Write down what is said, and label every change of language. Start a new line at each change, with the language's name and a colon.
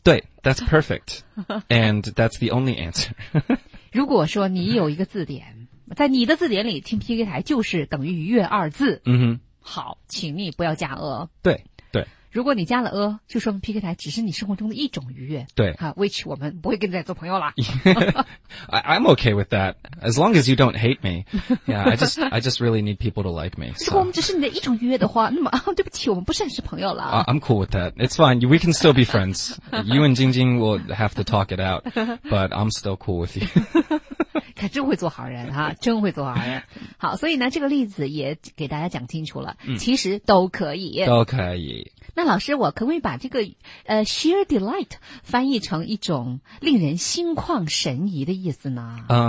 English: 对 ,that's perfect. And that's the only answer.
Chinese: 如果说你有一个字典，在你的字典里听 PK 台就是等于愉悦二字。嗯、mm-hmm. 好，请你不要加鹅。对对，如果你加了鹅，就说明 PK 台只是你生活中的一种愉悦。对啊 ，which 我们不会跟你再做朋友了。
English: I'm okay with that as long as you don't hate me. Yeah, I just really need people to like me.、So.
Chinese: 如果我们只是你的一种愉悦的话，那么对不起，我们不算是朋友了。
English: I'm cool with that. It's fine. We can still be friends. You and Jingjing will have to talk it out, but I'm still cool with you.
Chinese: 他真会做好人哈、啊，真会做好人。好，所以呢，这个例子也给大家讲清楚了，其实都可以，都可以。那老师，我可不可以把这个sheer delight 翻译成一种令人心旷神怡的意思呢？